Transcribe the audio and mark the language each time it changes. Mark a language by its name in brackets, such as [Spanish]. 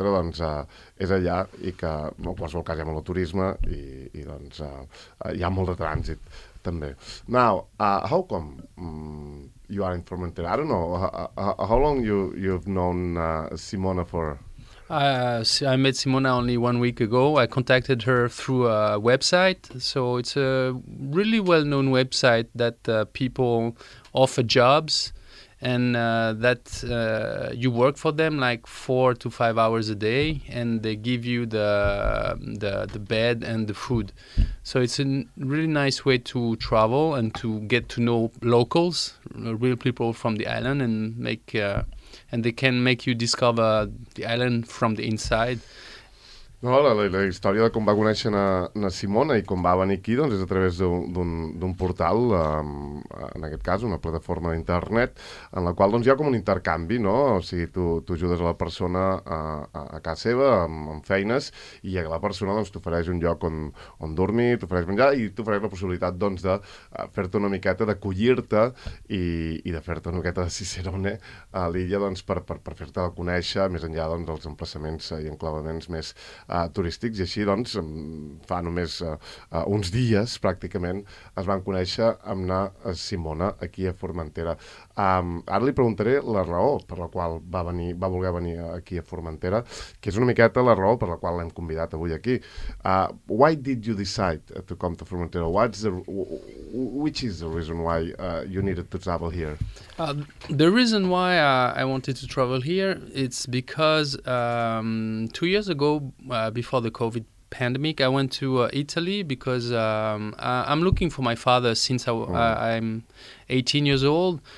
[Catalan] Doncs és allà i que en qualsevol cas hi ha molt de turisme i doncs hi ha molt de trànsit també. [English] Now, how come you are in Formentera? I don't know. How long you've known Simona for? I met Simona only 1 week ago. I contacted her through a website. So it's a really well-known website that people offer jobs. And that you work for them like 4 to 5 hours a day, and they give you the bed and the food. So it's a really nice way to travel and to get to know locals, real people from the island, and they can make you discover the island from the inside. [Catalan] No, la història de com va conèixer na Simona i com va venir aquí doncs és a través d'un portal, en aquest cas una plataforma d'internet, en la qual doncs, hi ha com un intercanvi, no? O sigui, tu ajudes a la persona a casa seva amb feines i a la persona doncs, t'ofereix un lloc on dormir, t'ofereix menjar i t'ofereix la possibilitat doncs, de fer-te una miqueta, d'acollir-te i de fer-te una miqueta de cicerone a l'illa doncs, per fer-te conèixer més enllà doncs, dels emplaçaments i enclavaments més turístics, i així doncs fa només uns dies pràcticament es van conèixer amb na Simona aquí a Formentera. Ara li preguntaré la raó per la qual va voler venir aquí a Formentera, que és una miqueta la raó per la qual l'hem convidat avui aquí. [English] Why did you decide to come to Formentera? Which is the reason why you needed to travel here? The reason why I wanted to travel here, it's because 2 years ago, before the COVID pandemic, I went to Italy because I'm looking for my father since I'm 18 years old.